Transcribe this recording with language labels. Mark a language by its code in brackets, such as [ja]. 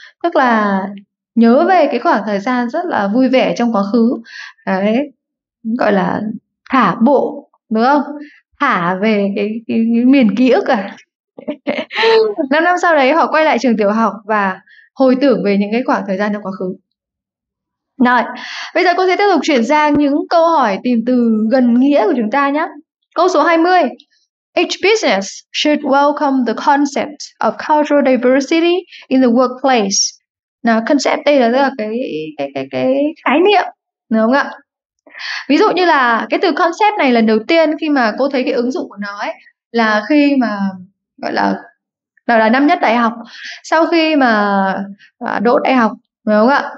[vi] Tức là nhớ về cái khoảng thời gian rất là vui vẻ trong quá khứ đấy, gọi là thả bộ đúng không, thả về cái miền ký ức à. 5 năm sau đấy họ quay lại trường tiểu học và hồi tưởng về những cái khoảng thời gian trong quá khứ. Rồi bây giờ cô sẽ tiếp tục chuyển sang những câu hỏi tìm từ gần nghĩa của chúng ta nhé. Câu số 20: [en] Each business should welcome the concept of cultural diversity in the workplace. [vi] Nào, concept đây là, cái khái niệm, đúng không ạ? Ví dụ như là cái từ concept này lần đầu tiên khi mà cô thấy cái ứng dụng của nó ấy là khi mà gọi là năm nhất đại học, sau khi mà đỗ đại học, đúng không ạ?